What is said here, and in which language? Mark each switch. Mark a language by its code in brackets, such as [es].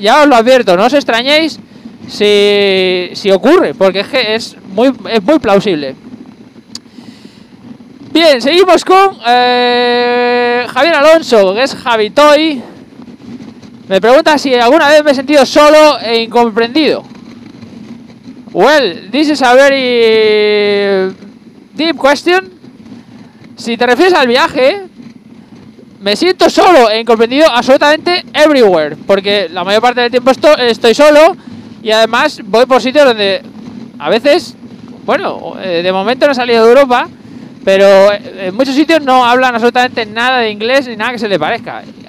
[es] Ya os lo advierto, no os extrañéis si ocurre, porque es que es muy plausible. Bien, seguimos con Javier Alonso, que es Javitoy. Me pregunta si alguna vez me he sentido solo e incomprendido. [en] Well, this is a very deep question. [es] Si te refieres al viaje, me siento solo e incomprendido absolutamente everywhere, porque la mayor parte del tiempo estoy solo y además voy por sitios donde a veces Bueno, de momento no he salido de Europa, pero en muchos sitios no hablan absolutamente nada de inglés ni nada que se le parezca.